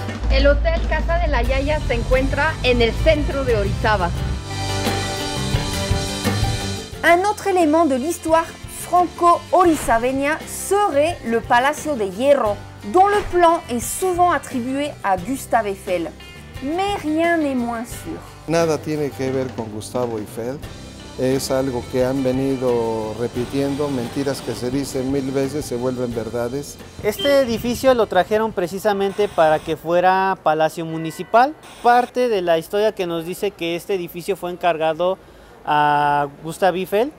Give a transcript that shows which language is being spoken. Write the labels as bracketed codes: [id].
[es] El Hotel Casa de la Yaya se encuentra en el centro de Orizaba. [fr] Un autre élément de l'histoire franco-orizabeña serait le Palacio de Hierro, dont le plan est souvent attribué à Gustave Eiffel. Mais rien n'est moins sûr. [es] Nada tiene que ver con Gustavo Eiffel. Es algo que han venido repitiendo, mentiras que se dicen mil veces se vuelven verdades. Este edificio lo trajeron precisamente para que fuera Palacio Municipal. Parte de la historia que nos dice que este edificio fue encargado a Gustav Eiffel.